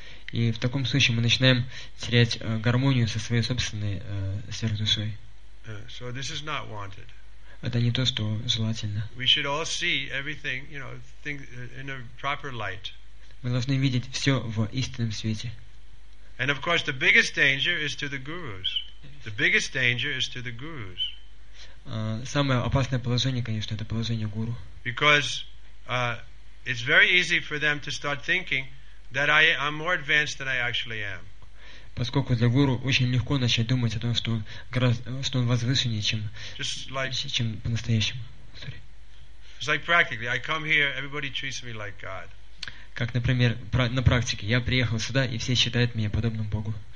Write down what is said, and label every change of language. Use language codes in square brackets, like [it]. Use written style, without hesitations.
[ru] И в таком случае мы начинаем терять гармонию со своей собственной сверхдушой. [en] So this is not wanted. [ru] Это не то, что желательно. [en] We should all see everything, you know, think in a proper light. [ru] Мы должны видеть все в истинном свете. [en] And of course, the biggest danger is to the gurus. The biggest danger is to the gurus. [ru] Самое опасное положение, конечно, это положение гуру. [en] Because it's very easy for them to start thinking that I'm more advanced than I actually am. [ru] Поскольку для гуру очень легко начать думать о том, что он гораздо, что он возвышеннее, чем, [en] like, [ru] чем по-настоящему. [en] It's like practically, I come here, everybody treats me like God. [ru] Как, например, на практике. Я приехал сюда, и все считают меня подобным Богу.